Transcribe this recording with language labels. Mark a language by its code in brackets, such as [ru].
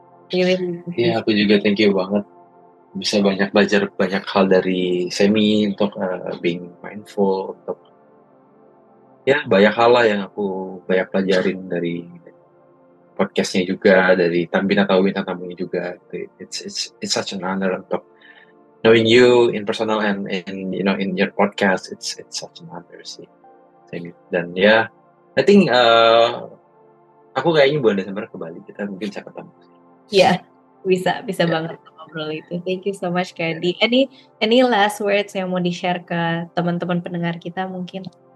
[id] Iya, aku juga [en] thank you [id] banget. Bisa banyak belajar banyak hal dari Semi untuk [en] being mindful, [id] untuk ya banyak hal lah yang aku banyak pelajarin dari podcastnya juga, dari Tambina Tawin tamunya juga. [en] It's such an honor [id] untuk [en] knowing you in personal and you know in your podcast, it's such an honor sih Semi. [id] Dan ya [en] I think [id] aku kayaknya bulan Desember ke Bali, kita mungkin bisa ketemu. Bisa banget ngobrol itu. [en] Thank you so much, Candy. Any last words [id] yang mau di-share ke teman-teman pendengar kita mungkin?